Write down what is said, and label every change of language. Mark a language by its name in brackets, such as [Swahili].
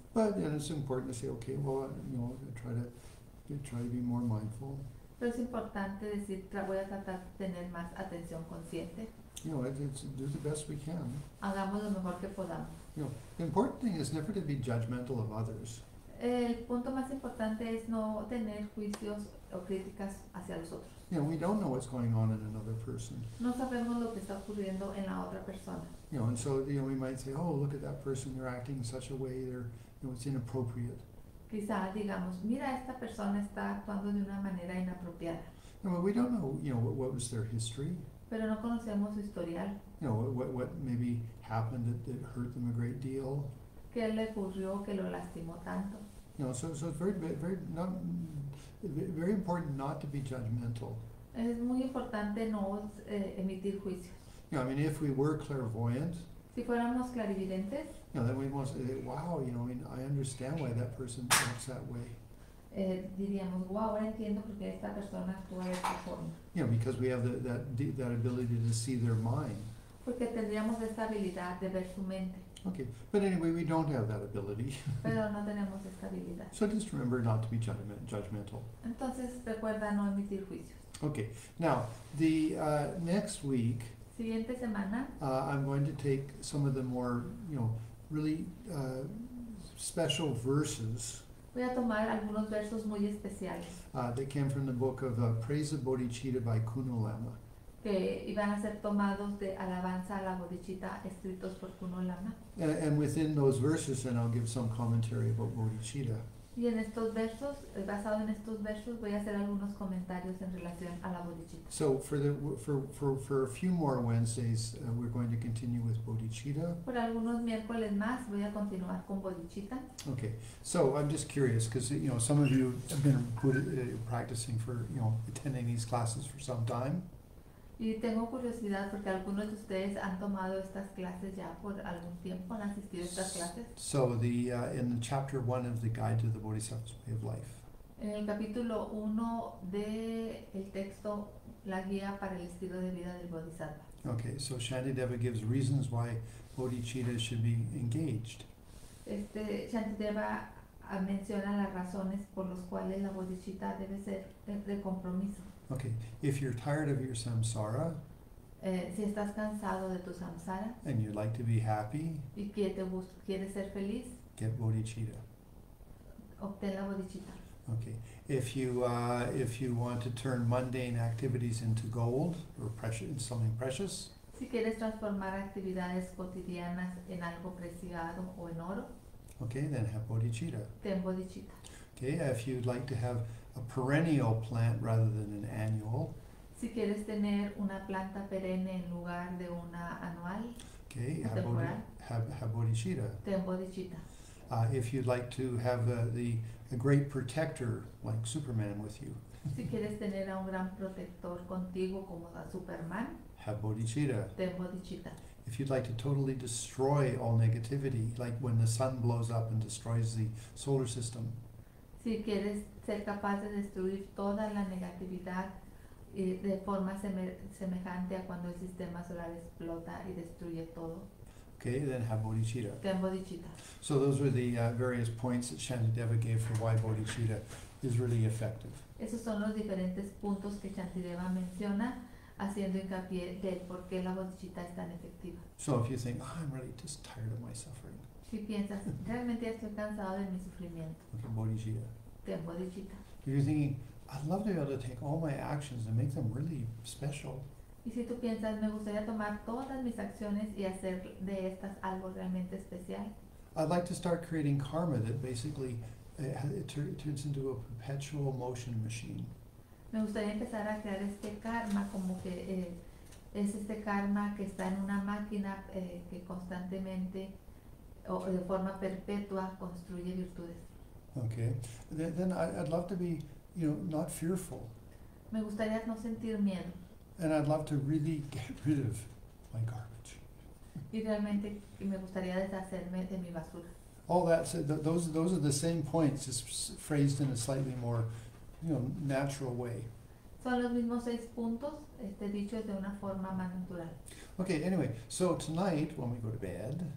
[English] But then it's important to say, okay, I try to be more mindful. [Spanish] Pero es importante decir, voy a tratar de tener más atención consciente. [English] Do the best we can. [Spanish] Hagamos lo mejor que podamos. [English] The important thing is never to be judgmental of others. [Spanish] El punto más importante es no tener juicios o críticas hacia los otros. [English] We don't know what's going on in another person. [Spanish] No sabemos lo que está ocurriendo en la otra persona. [English] We might say, look at that person, they're acting in such a way, it's inappropriate. [Spanish] Quizá digamos, mira, esta persona está actuando de una manera inapropiada. [English] But we don't know, what was their history. [Spanish] Pero no conocemos su historial. [English] What maybe happened that hurt them a great deal. [Spanish] ¿Qué le ocurrió que lo lastimó tanto? [English] So it's very important not to be judgmental. [Spanish] Es muy importante no emitir juicios. [English] If we were clairvoyant. [Spanish] Si fuéramos clarividentes. [English] Then we must say, I understand why that person acts that way. [Spanish] Diríamos, ahora entiendo por qué esta persona actúa de esta forma. [English] Because we have that ability to see their mind. [Spanish] Porque tendríamos esta habilidad de ver su mente. [English] Okay, but anyway, we don't have that ability. [Spanish] Pero no tenemos esta habilidad. [English] So just remember not to be judgmental. [Spanish] Entonces, recuerda no emitir juicios. [English] Okay, now, the next week, [Spanish] siguiente semana, [English] I'm going to take some of the more, really special verses. [Spanish] Voy a tomar algunos versos muy especiales. [English] They came from the book of Praise of Bodhicitta by Kuno Lama. [Spanish] Que iban a ser tomados de Alabanza a la Bodhicitta escritos por Kuno Lama. [English] And within those verses, then I'll give some commentary about Bodhicitta. [Spanish] Y en estos versos, basado en estos versos, voy a hacer algunos comentarios en relación a la Bodhicitta. [English] So for a few more Wednesdays, we're going to continue with Bodhicitta. [Spanish] Por algunos miércoles más, voy a continuar con Bodhicitta. [English] Okay, so I'm just curious because some of you have been practicing for attending these classes for some time. [Spanish] Y tengo curiosidad porque algunos de ustedes han tomado estas clases ya por algún tiempo, han asistido a estas clases. [English] So in the chapter one of the Guide to the Bodhisattva's Way of Life. [Spanish] En el capítulo 1 del texto, la guía para el estilo de vida del Bodhisattva. [English] Okay, so Shantideva gives reasons why Bodhicitta should be engaged. [Spanish] Shantideva menciona las razones por las cuales la bodhicitta debe ser de compromiso. [English] Okay, if you're tired of your samsara [Spanish] Si estás cansado de tu samsara [English] and you'd like to be happy, [Spanish] y quieres ser feliz, [English] get bodhicitta. [Spanish] obtén la bodhicitta. [English] Okay, if you want to turn mundane activities into gold or precious, in something precious, [Spanish] Si quieres transformar actividades cotidianas en algo preciado o en oro, [English] okay, then have bodhicitta. [Spanish] ten bodhicitta. [English] Okay, if you'd like to have a perennial plant rather than an annual. [Spanish] Si quieres tener una planta perenne en lugar de una anual [English] Okay, [Spanish] o temporal, [English] have bodhicitta. [Spanish] ten bodhicitta. [English] If you'd like to have a great protector like Superman with you, [Spanish] Si quieres tener a un gran protector contigo como a Superman, [English] have bodhicitta. [Spanish] ten bodhicitta. [English] If you'd like to totally destroy all negativity, like when the sun blows up and destroys the solar system, [Spanish] Si quieres ser capaz de destruir toda la negatividad de forma semejante a cuando el sistema solar explota y destruye todo, [English] okay, then have bodhicitta. [Spanish] ten bodhicitta. [English] So those were the various points that Shantideva gave for why bodhicitta is really effective. [Spanish] Esos son los diferentes puntos que Shantideva menciona, haciendo hincapié del por qué la bodhicitta es tan efectiva. [English] So if you think, oh, I'm really just tired of my suffering, [Spanish] Si piensas, realmente estoy cansado de mi sufrimiento, [English] bodhicitta. [Spanish] ten bodhicitta. [English] If you're thinking, I'd love to be able to take all my actions and make them really special, [Spanish] Y si tú piensas, me gustaría tomar todas mis acciones y hacer de estas algo realmente especial. [English] I'd like to start creating karma that basically it turns into a perpetual motion machine. [Spanish] Me gustaría empezar a crear este karma, como que es este karma que está en una máquina que constantemente o de forma perpetua construye virtudes. [English] Okay, then I'd love to be, not fearful. [Spanish] Me gustaría no sentir miedo. [English] And I'd love to really get rid of my garbage. [Spanish] Y realmente me gustaría deshacerme de mi basura. [English] All that said, those are the same points, just phrased in a slightly more, natural way. [Spanish] Son los mismos 6 puntos, dichos de una forma más natural. [English] Okay, anyway, so tonight when we go to bed,